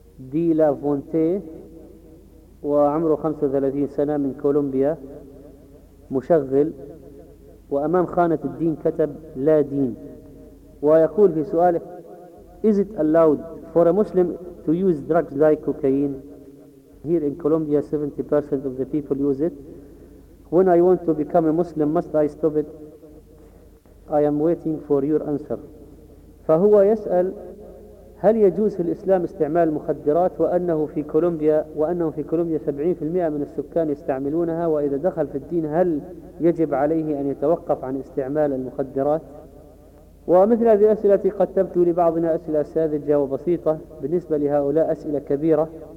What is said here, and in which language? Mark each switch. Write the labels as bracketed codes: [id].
[ar] دي لا فونتي وعمره 35 سنة من كولومبيا مشغل، وأمام خانة الدين كتب لا دين، ويقول في سؤاله [en] Is it allowed for a Muslim to use drugs like cocaine? Here in Colombia 70% of the people use it. When I want to become a Muslim must I stop it? I am waiting for your answer. [ar] فهو يسأل هل يجوز في الإسلام استعمال المخدرات، وأنه في كولومبيا 70% من السكان يستعملونها، وإذا دخل في الدين هل يجب عليه أن يتوقف عن استعمال المخدرات؟ ومثل هذه الأسئلة قد تبدو لبعضنا أسئلة ساذجة وبسيطة، بالنسبة لهؤلاء أسئلة كبيرة.